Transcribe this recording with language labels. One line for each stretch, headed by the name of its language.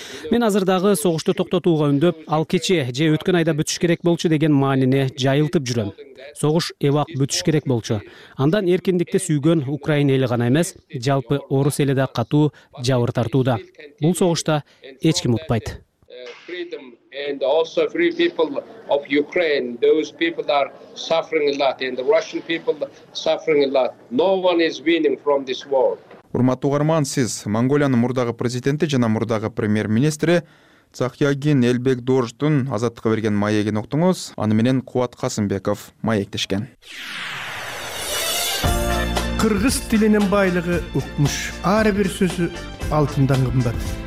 Kyrgyz: Мен азыр дагы согушту токтотууга үндөп, ал кечээ же өткөн айда бүтүш керек болчу деген маанине жайылтып жүрөм. Согуш эвак бүтүш керек болчу. Андан эркиндикти сүйгөн Украина эли гана эмес, жалпы орус эли да катуу жабыр тартууда. Бул согушта эч ким утпайт.
English: And also free people of Ukraine, those people are suffering a lot, and the Russian people suffering a lot. No one is winning from this war.
Kyrgyz: Урматтуу угарман, сиз Монголиянын мурдагы президенти жана мурдагы премьер-министри Цахиагин Элбекдоржтун азаттыкка берген маегин уктуңуз. Аны менен Кубат Касымбеков маектешкен. Кыргыз тилинин байлыгы укмуш, ар бир сөзү алтындан кымбат.